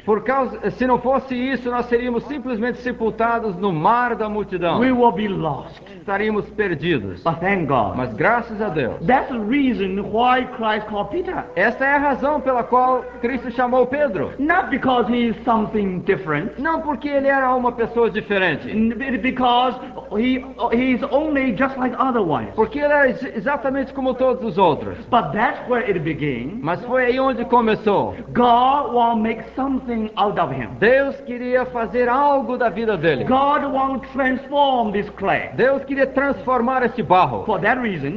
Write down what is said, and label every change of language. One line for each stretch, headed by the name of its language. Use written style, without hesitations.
Portuguese: Por causa, se não fosse isso, nós seríamos simplesmente sepultados no mar da multidão.
English: We will be lost.
Portuguese: Estaríamos perdidos.
English: But thank God.
Portuguese: Mas graças a Deus.
English: That's the reason why Christ called Peter.
Portuguese: Esta é a razão pela qual Cristo chamou Pedro.
English: Not because he is something different.
Portuguese: Não porque ele era uma pessoa diferente.
English: Because he is only just like other ones.
Portuguese: Porque ele era exatamente como todos os outros.
English: But that's where it began.
Portuguese: Mas foi aí onde começou.
English: God will make something out of him.
Portuguese: Deus queria fazer algo da vida dele.
English: God will transform this clay.
Portuguese: Deus queria transformar este barro.
English: For that reason.